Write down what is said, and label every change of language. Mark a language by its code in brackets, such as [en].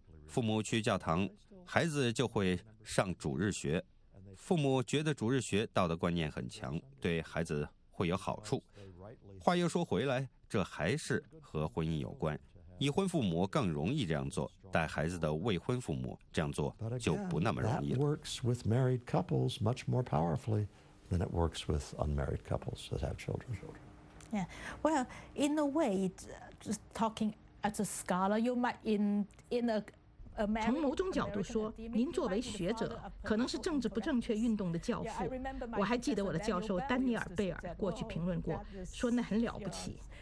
[zh] 父母去教堂，孩子就会上主日学，父母觉得主日学道德观念很强，对孩子会有好处。话又说回来，这还是和婚姻有关，已婚父母更容易这样做，带孩子的未婚父母这样做就不那么容易了。 [en] That works with married couples much more powerfully than it works with unmarried couples that have children. Yeah, well, in a way, just talking as a scholar, you might in a [zh] 从某种角度说，您作为学者，可能是政治不正确运动的教父。我还记得我的教授丹尼尔·贝尔过去评论过，说那很了不起。